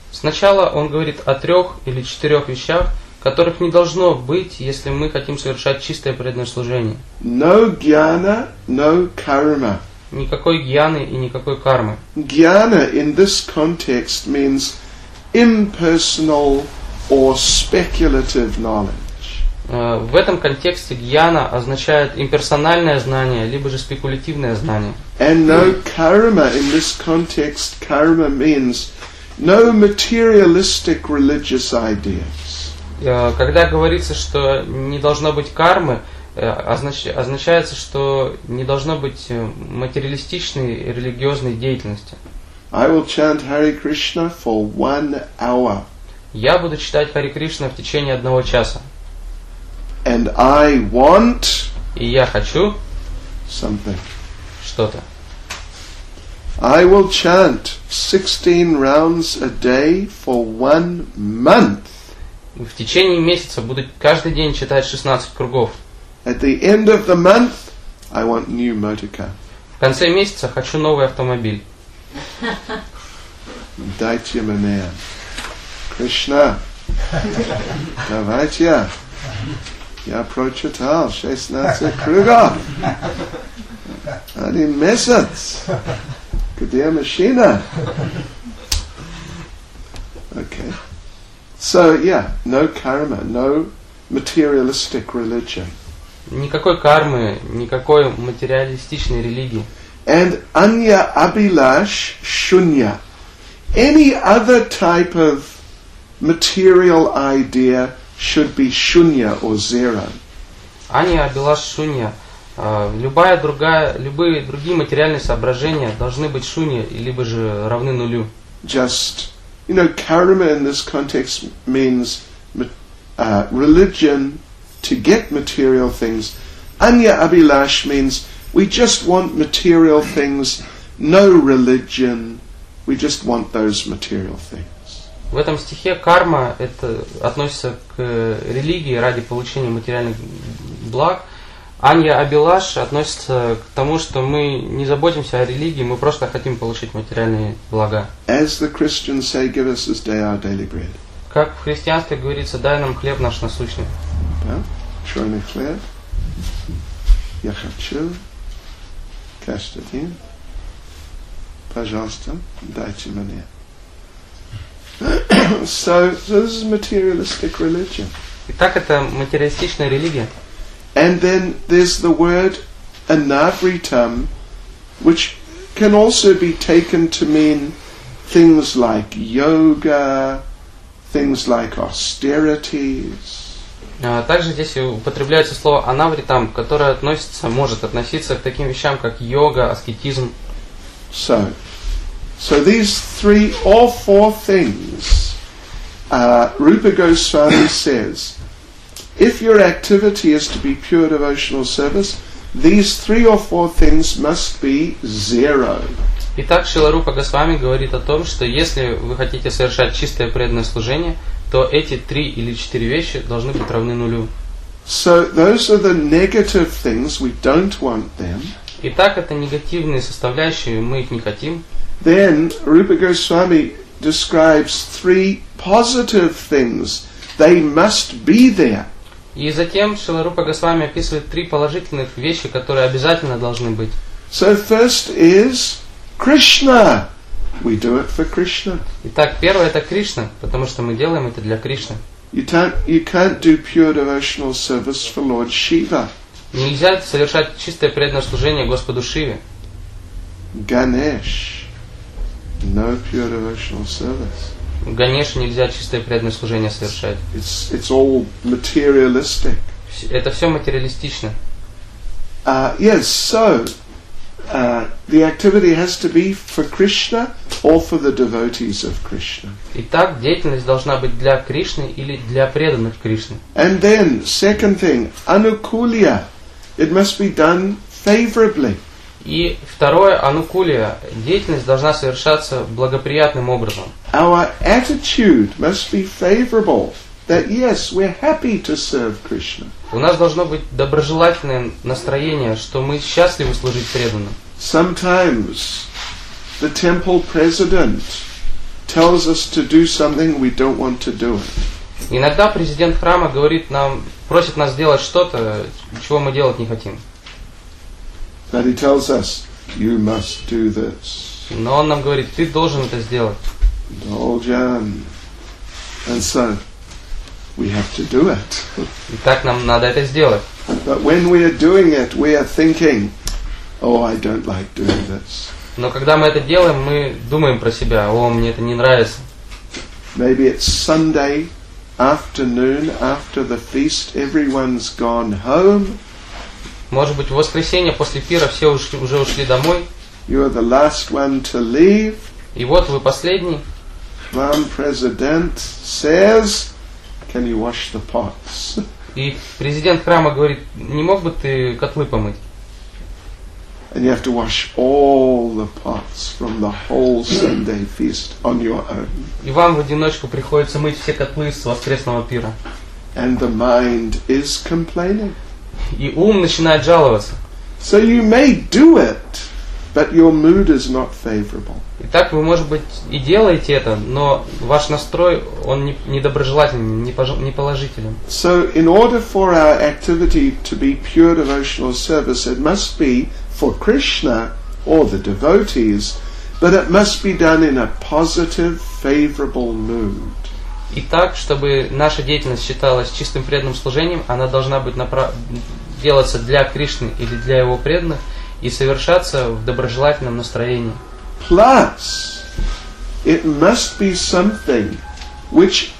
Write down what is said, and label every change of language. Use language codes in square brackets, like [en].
[ru] Сначала он говорит о трех или четырех вещах, которых не должно быть, если мы хотим совершать чистое преданное служение. [en] No jnana, no karma. [ru] Никакой гьяны и никакой кармы. [en] Jnana in this context means impersonal or speculative knowledge. [ru] В этом контексте гьяна означает имперсональное знание, либо же спекулятивное знание. [en] And no karma in this context, karma means no materialistic religious ideas. [ru] Когда говорится, что не должно быть кармы, означается, что не должно быть материалистичной и религиозной деятельности. [en] I will chant Hare Krishna for 1 hour. [ru] Я буду читать Хари Кришна в течение 1 часа. [en] And I want. [ru] И я хочу. [en] Something. [ru] Что-то. [en] I will chant 16 rounds a day for 1 month. [ru] В течение месяца буду каждый день читать 16 кругов. [en] At the end of the month, I want new motor car. [ru] В конце месяца хочу новый автомобиль. Дайте мне. Кришна. Давайте. Я прочитал 16 кругов. Один месяц. Где машина? [en] Окей. So yeah, no karma, no materialistic religion. [ru] Никакой кармы, никакой материалистичной религии. [en] And anya abhilash shunya. Any other type of material idea should be shunya or zero. [ru] Анья била шунья. Любая другая, любые другие материальные соображения должны быть шунья или же равны нулю. [en] Just, you know, karma in this context means religion to get material things. Anya Abhilash means we just want material things, no religion, we just want those material things. [ru] В этом стихе карма это относится к религии ради получения материальных благ. Анья Абилаш относится к тому, что мы не заботимся о религии, мы просто хотим получить материальные блага. [en] As the Christians say, give us this day our daily bread. [ru] Как в христианстве говорится, дай нам хлеб наш насущный. Черный хлеб. Я хочу. Каждый день. Пожалуйста, дайте мне. [en] So this is materialistic religion. [ru] Итак, это материалистичная религия. [en] And then there's the word anavritam, which can also be taken to mean things like yoga, things like austerities. [ru] Также здесь употребляется слово анавритам, которое относится, может относиться к таким вещам, как йога, аскетизм. [en] So these three or four things, Rupa Goswami says, if your activity is to be pure devotional service, these three or four things must be zero. [ru] Итак, Шрила Рупа Госвами говорит о том, что если вы хотите совершать чистое преданное служение, то эти три или четыре вещи должны быть равны нулю. [en] So those are the negative things, we don't want them. [ru] Итак, это негативные составляющие, мы их не хотим. [en] Then Rupa Goswami describes three positive things. They must be there. [ru] И затем Шрила Рупа Госвами описывает три положительных вещи, которые обязательно должны быть. [en] So first is Krishna. We do it for Krishna. [ru] Итак, первое это Кришна, потому что мы делаем это для Кришны. [en] You can't do pure devotional service for Lord Shiva. [ru] Нельзя совершать чистое преданное служение Господу Шиве. [en] Ganesh. No pure devotional service. [ru] Ганеш нельзя чистое преданное служение совершать. [en] It's all materialistic. [ru] Это все материалистично. [en] Yes, so the activity has to be for Krishna or for the devotees of Krishna. [ru] Итак, деятельность должна быть для Кришны или для преданных Кришны. [en] And then second thing, anukulya. It must be done favorably. [ru] И второе, анукулия, деятельность должна совершаться благоприятным образом. [en] Our attitude must be favorable, that yes, we're happy to serve Krishna. [ru] У нас должно быть доброжелательное настроение, что мы счастливы служить преданным. [en] Sometimes the temple president tells us to do something, we don't want to do it. [ru] Иногда президент храма говорит нам, просит нас делать что-то, чего мы делать не хотим. [en] That he tells us, you must do this. [ru] Но он нам говорит, ты должен это сделать. Должен. [en] And so, we have to do it. [ru] Итак, нам надо это сделать. [en] But when we are doing it, we are thinking, oh, I don't like doing this. [ru] Но когда мы это делаем, мы думаем про себя, о, мне это не нравится. [en] Maybe it's Sunday afternoon after the feast, everyone's gone home. [ru] Может быть, в воскресенье после пира все уже ушли домой. [en] You are the last one to leave. [ru] И вот вы последний. [en] Prime president says, can you wash the pots? [ru] И президент храма говорит, не мог бы ты котлы помыть? [en] And you have to wash all the pots from the whole Sunday feast on your own. [ru] И вам в одиночку приходится мыть все котлы с воскресного пира. [en] And the mind is complaining. [ru] И ум начинает жаловаться. [en] So you may do it, but your mood is not favorable. [ru] Итак, вы, может быть, и делаете это, но ваш настрой, он недоброжелательный, неположительный. [en] So in order for our activity to be pure devotional service, it must be for Krishna or the devotees, but it must be done in a positive, favorable mood. [ru] Итак, чтобы наша деятельность считалась чистым преданным служением, она должна быть делаться для Кришны или для его преданных и совершаться в доброжелательном настроении. [en] Plus, it must be something which